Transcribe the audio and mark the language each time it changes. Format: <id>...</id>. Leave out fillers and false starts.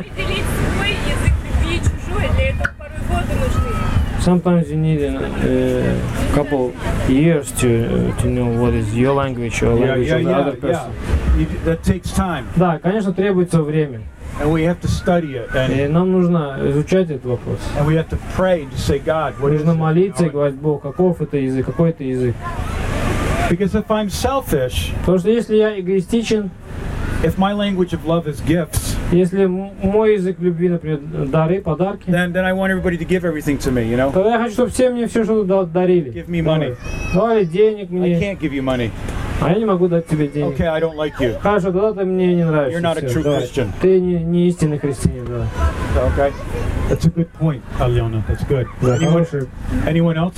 <ru>Определить свой язык любви и чужой, для этого порой годы нужны.</ru> <en>Sometimes you need a couple years to know what is your language or language of the other person. That takes time.</en> <ru>Да, конечно, требуется время.</ru> <en>And we have to study it.</en> <ru>И нам нужно изучать этот вопрос.</ru> <en>And we have to pray to say, God, what</en> <ru>нужно</ru> <en>is</en> <ru>молиться it? И говорить, Бог, каков это язык, какой это язык.</ru> <en>Because if I'm selfish,</en> <ru>потому что если я эгоистичен,</ru> <en>if my language of love is gifts,</en> <ru>если мой язык любви, например, дары, подарки,</ru> <en>then I want everybody to give everything to me, you know?</en> <ru>Тогда я хочу, чтобы все мне все что-то дарили.</ru> <en>Give me money.</en> <ru>Давай денег мне.</ru> <en>I can't give you money.</en> <ru>А я не могу дать тебе денег.</ru> <en>Okay, I don't like you.</en> <ru>Хорошо, тогда ты мне не нравишься.</ru> <en>You're not a true Christian.</en> <ru>Ты не истинный христианин, да.</ru> <en>Okay. That's a good point, Алена. That's good.</en> <ru>Да,</ru> <en>anyone else?</en>